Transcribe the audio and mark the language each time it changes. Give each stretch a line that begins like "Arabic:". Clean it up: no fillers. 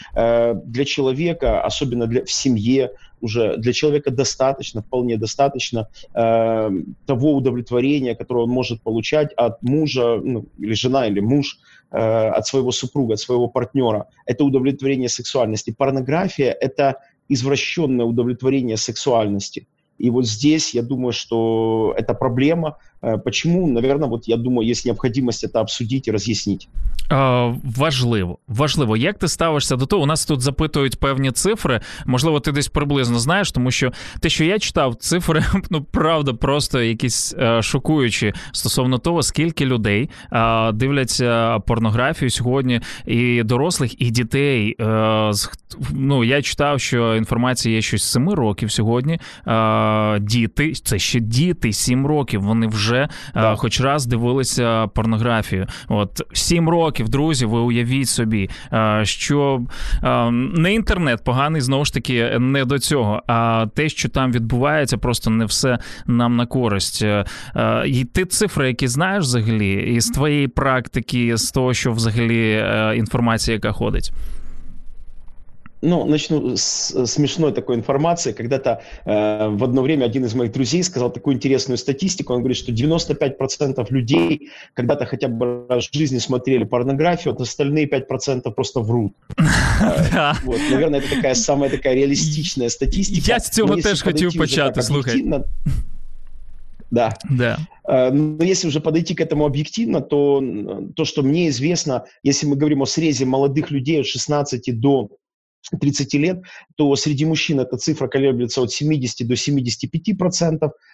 Russian: Для человека, особенно в семье, уже для человека достаточно, вполне достаточно того удовлетворения, которое он может получать от мужа, ну, или жена, или муж, от своего супруга, от своего партнера. Это удовлетворение сексуальности. Порнография – это извращенное удовлетворение сексуальности. И вот здесь, я думаю, что это проблема, Почему, наверное, вот я думаю,
Ukrainian: є необхідність це обсудити і роз'яснити. Важливо, важливо. Як ти ставишся до того? У нас тут запитують певні цифри. Можливо, ти десь приблизно знаєш, тому що те, що я читав, цифри, ну, правда, просто якісь шокуючі стосовно того, скільки людей дивляться порнографію сьогодні, і дорослих, і дітей. Ну, я читав, що інформація є щось 7 років сьогодні. Діти, це ще діти, 7 років, вони вже хоч раз дивилися порнографію. От, 7 років. Років, друзі, ви уявіть собі, що не інтернет поганий, знову ж таки, не до цього, а те, що там відбувається, просто не все нам на користь. І ти цифри, які знаєш взагалі, із твоєї практики, з того, що взагалі інформація, яка ходить?
Russian: Ну, начну с смешной такой информации. Когда-то в одно время один из моих друзей сказал такую интересную статистику. Он говорит, что 95% людей когда-то хотя бы раз в жизни смотрели порнографию, а остальные 5% просто врут. Вот. Наверное, это такая самая такая реалистичная статистика.
Ukrainian: Я с цього теж хотів почати, слухай.
Russian: Да. Да. Но если уже подойти к этому объективно, то то, что мне известно, если мы говорим о срезе молодых людей от 16 до 30 лет, то среди мужчин эта цифра колеблется от 70 до 75%.